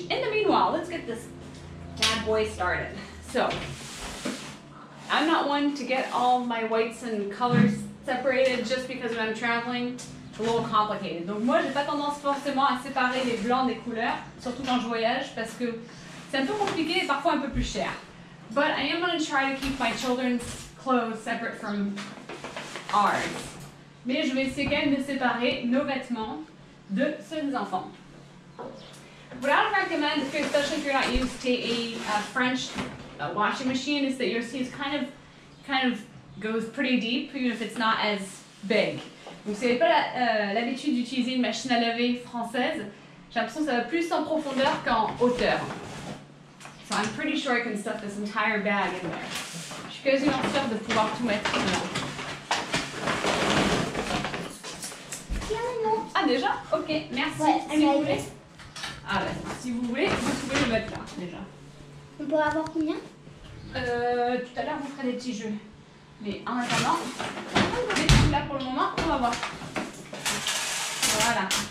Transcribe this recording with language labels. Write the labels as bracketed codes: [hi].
[en] In the meanwhile, let's get this bad boy started. So, I'm not one to get all my whites and colors separated just because when I'm traveling, it's a little complicated. [fr] Donc moi, j'ai pas tendance forcément à séparer les blancs des couleurs, surtout quand je voyage, parce que c'est un peu compliqué et parfois un peu plus cher. [en] But I am going to try to keep my children's clothes separate from ours. [fr] Mais je vais essayer quand même de séparer nos vêtements de ceux des enfants. [en] What I would recommend, especially if you're not used to a French washing machine, is that your sieve kind of goes pretty deep, even if it's not as big. [fr] Donc si vous n'avez pas l'habitude d'utiliser une machine à laver française, j'ai l'impression que ça va plus en profondeur qu'en hauteur. [en] So I'm pretty sure I can stuff this entire bag in there. [fr] Je suis quasiment sûre de pouvoir tout mettre dedans. Ah déjà? Ok, merci. Ouais, ah ben, si vous voulez, vous pouvez le mettre là, déjà. On peut avoir combien? Tout à l'heure, vous ferez des petits jeux. Mais en attendant, on va mettre tout là pour le moment, on va voir. Voilà.